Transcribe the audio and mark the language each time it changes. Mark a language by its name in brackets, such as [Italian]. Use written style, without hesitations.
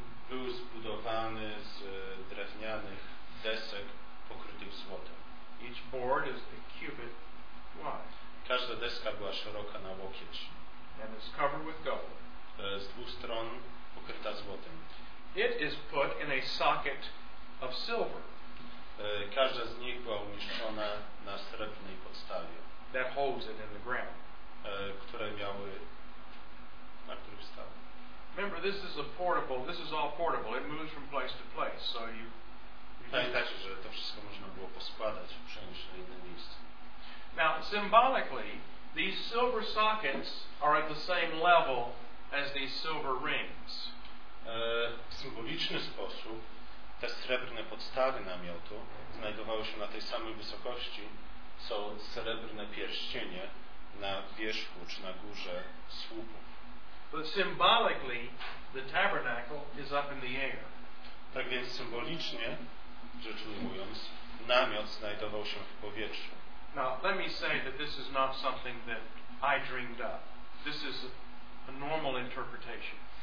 [Polish] Był zbudowany z drewnianych desek pokrytych złotem. [English] Each board is a cubit wide. [Polish] Każda deska była szeroka na łokieć. [English] And it's covered with gold. [Polish] Z dwóch stron pokryta złotem. [English] It is put in a socket of silver. [Polish] Każda z nich była umieszczona na srebrnej podstawie. [English] That holds it in the ground. [Polish] Które miały, na których stały. [English] Remember, this is a portable. This is all portable. It moves from place to place. So you. [Polish] Pamiętajcie, że to wszystko można było poskładać, przenieść na inne miejsce. [English] Now, symbolically, these silver sockets are at the same level as these silver rings. [Polish] W symboliczny sposób te srebrne podstawy namiotu znajdowały się na tej samej wysokości, co srebrne pierścienie na wierzchu czy na górze słupów. [English] But symbolically, the tabernacle is up in the air. [Polish] Tak więc symbolicznie, rzecz ujmując, namiot znajdował się w powietrzu. [English] Now, let me say that this is not something that I dreamed up. This is a normal interpretation.